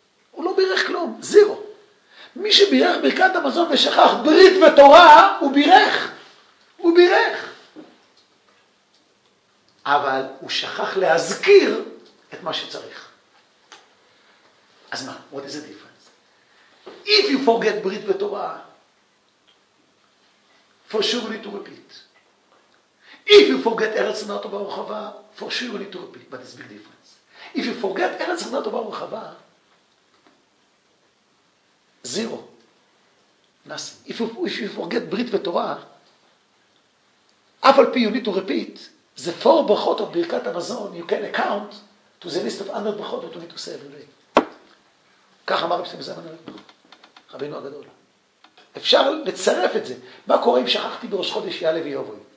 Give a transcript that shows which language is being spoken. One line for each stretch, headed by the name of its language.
Hebrew: הוא לא בירך כלום, זירו. מי שבירך ברכת המזון ושכח ברית ותורה, הוא בירך. הוא בירך. אבל הוא שכח להזכיר את מה שצריך. אז מה?
English: What is the difference? If you forget
Hebrew: ברית ותורה,
English: for sure you need to repeat. If you forget
Hebrew: ארץ חמדה טובה ורחבה,
English: for sure you need to repeat. But it's a big difference. If you forget
Hebrew: ארץ חמדה טובה ורחבה, זירו.
English: If you forget
Hebrew: ברית ותורה, אף על פי
English: you need to repeat, the four ברכות of ברכת המזון, you can account to the list of 100 ברכות that you need to say every day.
Hebrew: כך אמר רבי זמן הלך, רבינו הגדול. אפשר לצרף את זה. מה קורה אם שכחתי בראש חודש יעלה ויובוי?